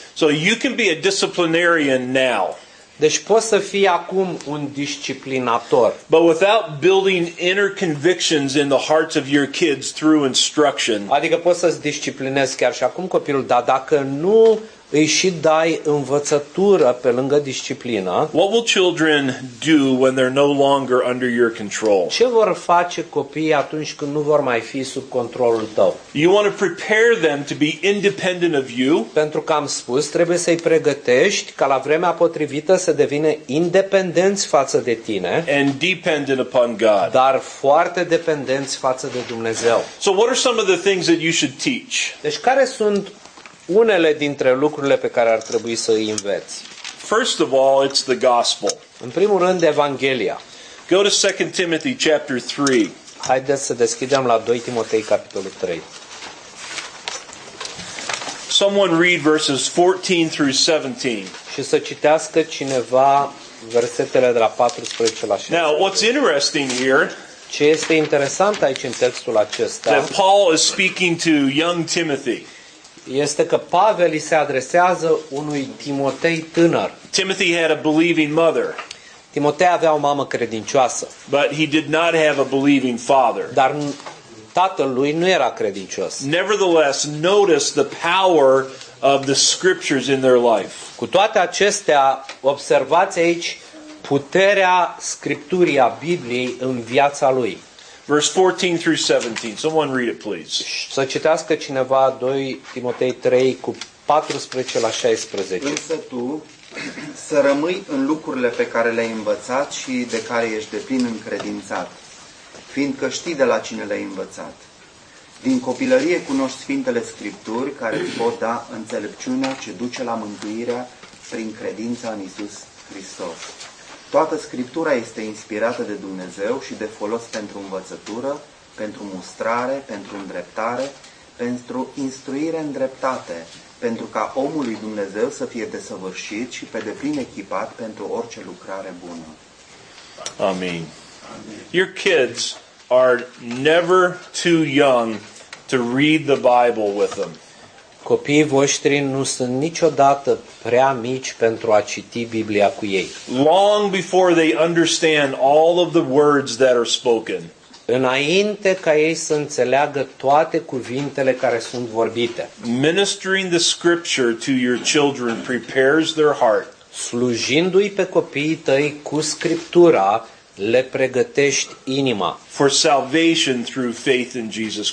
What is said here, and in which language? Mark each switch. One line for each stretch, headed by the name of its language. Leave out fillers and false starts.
English: So you can be a disciplinarian now.
Romanian: Deci poți să fii acum un disciplinator.
English: But without building inner convictions in the hearts of your kids through instruction.
Romanian: Adică poți să-ți disciplinezi chiar și acum copilul, dar dacă nu îi și dai învățătură pe lângă disciplina.
English: What will children do when they're no longer under your control?
Romanian: Ce vor face copiii atunci când nu vor mai fi sub controlul tău?
English: You want to prepare them to be independent of you?
Romanian: Pentru că am spus, trebuie să-i pregătești ca la vremea potrivită să devină independenți față de tine.
English: And dependent upon God.
Romanian: Dar foarte dependenți față de Dumnezeu.
English: So what are some of the things that you should teach?
Romanian: Deci care sunt unele dintre lucrurile pe care ar trebui să îi înveți?
English: First of all, it's the gospel.
Romanian: În primul rând, Evanghelia.
English: Go to 2 Timothy chapter 3.
Romanian: Haideți să deschidem la 2 Timotei capitolul 3.
English: Someone read verses 14 through 17.
Romanian: Și să citească cineva versetele de la 14 la 16.
English: Now, what's interesting here?
Romanian: Ce este interesant aici în textul acesta?
English: That Paul is speaking to young Timothy.
Romanian: Este că Pavel îi se adresează unui Timotei tânăr.
English: Timothy had a believing mother.
Romanian: Timotei avea o mamă credincioasă.
English: But he did not have a believing father.
Romanian: Dar tatăl lui nu era credincios.
English: Nevertheless, notice the power of the scriptures in their life.
Romanian: Cu toate acestea, observați aici puterea Scripturii, a Bibliei în viața lui.
English: Verse 14 through 17. Someone read it, please.
Romanian: Să citească cineva 2 Timotei 3 cu 14 la 16. Însă tu să rămâi în lucrurile pe care le-ai învățat și de care ești deplin încredințat, fiindcă știi de la cine le-ai învățat. Din copilărie cunoști Sfintele Scripturi care îți pot da înțelepciunea ce duce la mântuirea prin credința în Iisus Hristos. Toată Scriptura este inspirată de Dumnezeu și de folos pentru învățătură, pentru mustrare, pentru îndreptare, pentru instruire în dreptate, pentru ca omul lui Dumnezeu să fie desăvârșit și pe deplin echipat pentru orice lucrare bună. Amin.
English: Your kids are never too young to read the Bible with them.
Romanian: Copiii voștri nu sunt niciodată prea mici pentru a citi Biblia cu ei.
English: Long before they understand all of the words that are spoken.
Romanian: Înainte ca ei să înțeleagă toate cuvintele care sunt vorbite.
English: Ministering the scripture to your children prepares their heart.
Romanian: Slujindu-i pe copiii tăi cu Scriptura, le pregătești inima
English: for salvation through faith in Jesus Christ.